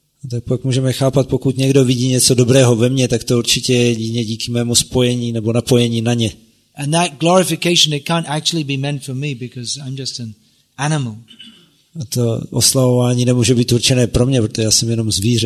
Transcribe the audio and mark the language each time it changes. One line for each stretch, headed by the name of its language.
Czech: Tak pak můžeme chápat, pokud někdo vidí něco dobrého ve mně, tak to určitě jedině díky mému spojení nebo napojení na ně.
English: And that glorification, it can't actually be meant for me because I'm just an animal.
Czech: A to oslavování nemůže být určené pro mě, protože já jsem jenom zvíře.